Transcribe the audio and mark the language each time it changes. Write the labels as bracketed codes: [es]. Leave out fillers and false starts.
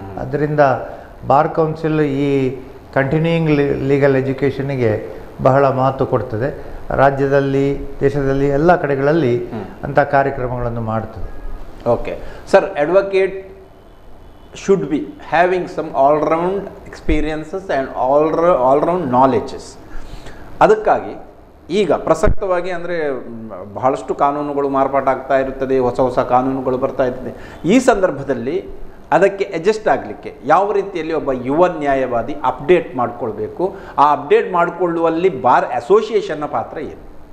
[kn] ಅದರಿಂದ bar council ಈ continuing legal ಎಜುಕೇಷನ್ಗೆ ಬಹಳ ಮಹತ್ವ ಕೊಡ್ತದೆ. ರಾಜ್ಯದಲ್ಲಿ, ದೇಶದಲ್ಲಿ ಎಲ್ಲ ಕಡೆಗಳಲ್ಲಿ ಅಂಥ ಕಾರ್ಯಕ್ರಮಗಳನ್ನು ಮಾಡ್ತದೆ. [en] Okay sir, advocate should be having some all-round experiences and all-round knowledges. [kn] ಅದಕ್ಕಾಗಿ ಈಗ ಪ್ರಸಕ್ತವಾಗಿ ಅಂದರೆ ಬಹಳಷ್ಟು ಕಾನೂನುಗಳು ಮಾರ್ಪಾಟಾಗ್ತಾ ಇರುತ್ತದೆ, ಹೊಸ ಹೊಸ ಕಾನೂನುಗಳು ಬರ್ತಾ ಇರ್ತದೆ. ಈ ಸಂದರ್ಭದಲ್ಲಿ ಅದಕ್ಕೆ ಅಡ್ಜಸ್ಟ್ ಆಗಲಿಕ್ಕೆ ಯಾವ ರೀತಿಯಲ್ಲಿ ಒಬ್ಬ ಯುವ ನ್ಯಾಯವಾದಿ ಅಪ್ಡೇಟ್ ಮಾಡಿಕೊಳ್ಬೇಕು, ಆ ಅಪ್ಡೇಟ್ ಮಾಡಿಕೊಳ್ಳುವಲ್ಲಿ ಬಾರ್ ಅಸೋಸಿಯೇಷನ್ನ ಪಾತ್ರ ಏನು?